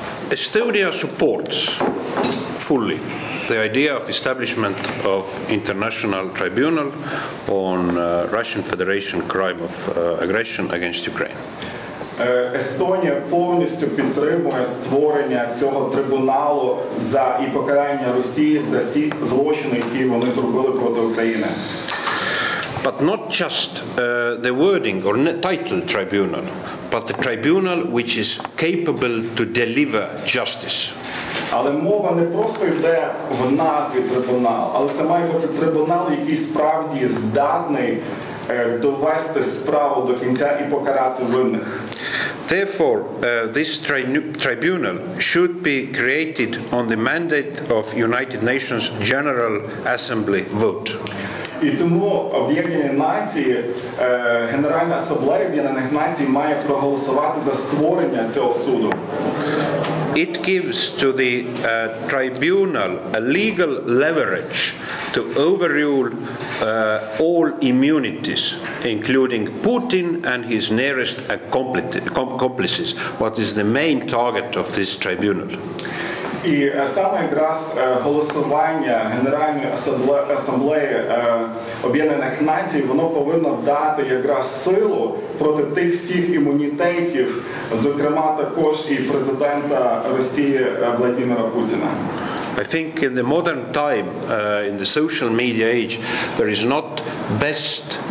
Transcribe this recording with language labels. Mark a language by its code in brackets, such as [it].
[en] Estonia supports fully the idea of establishment of international tribunal on Russian Federation crime of aggression against Ukraine. [uk] Естонія повністю підтримує створення цього трибуналу за і покарання Росії за всі злочини, які вони зробили проти України. [en] But not just the wording or title tribunal, but the tribunal which is capable to deliver justice. [uk] Але мова не просто йде в назві трибунал, але це має бути трибунал, який справді здатний довести справу до кінця і покарати винних. [en] Therefore, this tribunal should be created on the mandate of United Nations General Assembly vote. [uk] І тому об'єднані нації, Генеральна асамблея об'єднаних націй має проголосувати за створення цього суду. [en] It gives to the tribunal a legal leverage to overrule all immunities, including Putin and his nearest accomplices, what is the main target of this tribunal. [uk] І саме якраз голосування Генеральної асамблеї об'єднаних націй, воно повинно дати якраз силу проти тих всіх імунітетів, зокрема також і президента Росії Владимира Путіна. [en] I think in the modern time, in the social media age, there is not best